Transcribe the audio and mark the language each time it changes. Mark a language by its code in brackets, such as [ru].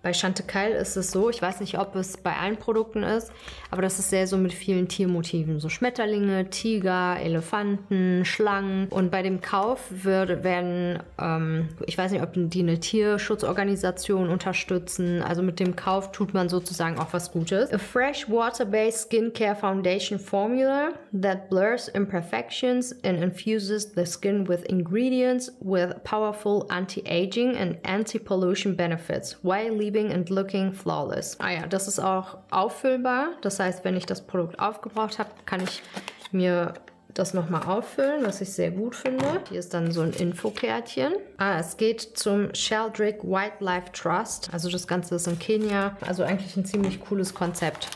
[de] Bei Chantecaille ist es so, ich weiß nicht, ob es bei allen Produkten ist, aber das ist sehr so mit vielen Tiermotiven. So Schmetterlinge, Tiger, Elefanten, Schlangen. Und bei dem Kauf werden, ich weiß nicht, ob die eine Tierschutzorganisation unterstützen. Also mit dem Kauf tut man sozusagen auch was Gutes. [en] A fresh water-based skincare foundation formula that blurs imperfections and infuses the skin with ingredients with powerful anti-aging and anti-pollution benefits while leaving and looking flawless. [de] Ah ja, das ist auch auffüllbar. Das heißt, wenn ich das Produkt aufgebraucht habe, kann ich mir das nochmal auffüllen, was ich sehr gut finde. Hier ist dann so ein Infokärtchen. Ah, es geht zum Sheldrick Wildlife Trust. Also das Ganze ist in Kenia. Also eigentlich ein ziemlich cooles Konzept.